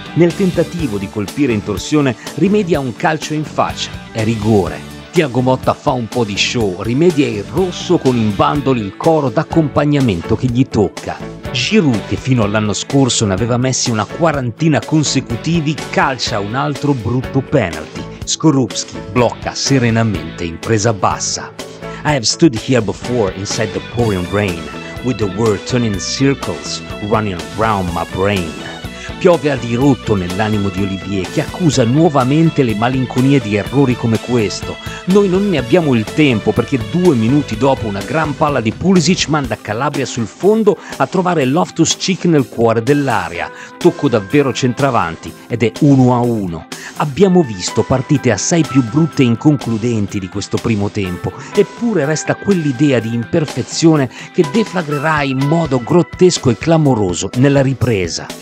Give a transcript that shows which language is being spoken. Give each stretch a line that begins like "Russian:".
Italian: Nel tentativo di colpire in torsione rimedia un calcio in faccia, è rigore. Thiago Motta fa un po' di show, rimedia il rosso con in bandoli il coro d'accompagnamento che gli tocca. Giroud, che fino all'anno scorso ne aveva messi una quarantina consecutivi, calcia un altro brutto penalty. Skorupski blocca serenamente in presa bassa.
English: I have stood here before inside the pouring rain, with the world turning circles running around my brain.
Italian: Piove a dirotto nell'animo di Olivier, che accusa nuovamente le malinconie di errori come questo. Noi non ne abbiamo il tempo, perché due minuti dopo una gran palla di Pulisic manda Calabria sul fondo a trovare Loftus-Cheek nel cuore dell'area. Tocco davvero centravanti ed è 1-1. Abbiamo visto partite assai più brutte e inconcludenti di questo primo tempo, eppure resta quell'idea di imperfezione che deflagrerà in modo grottesco e clamoroso nella ripresa.